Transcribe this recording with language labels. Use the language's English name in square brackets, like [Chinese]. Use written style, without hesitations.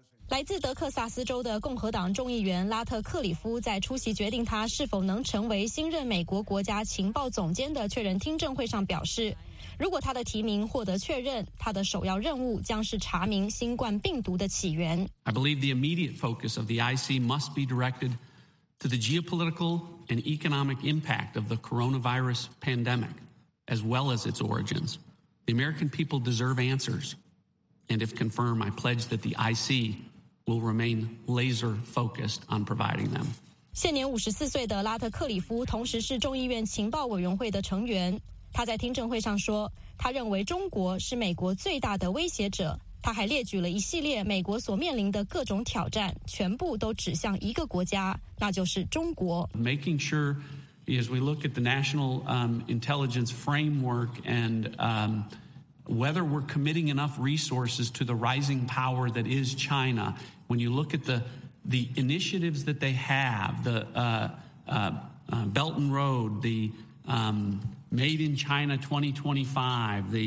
[Chinese] 来自德克萨斯州的共和党众议员拉特克里夫在出席决定他是否能成为新任美国国家情报总监的确认听证会上表示，如果他的提名获得确认，他的首要任务将是查明新冠病毒的起源。 [English] I believe the immediate focus of the IC must be directed to the geopolitical and economic impact of the coronavirus pandemic, as well as its origins. The American people deserve answers, and if confirmed, I pledge that the IC will remain laser focused on providing them. [Chinese] 现年54岁的拉特克里夫同时是众议院情报委员会的成员。他在听证会上说，他认为中国是美国最大的威胁者，他还列举了一系列美国所面临的各种挑战，全部都指向一个国家，那就是中国。 [English] Making sure as we look at the national intelligence framework and whether we're committing enough resources to the rising power that is China, when you look at the initiatives that they have, the Belt and Road, the Made in China 2025,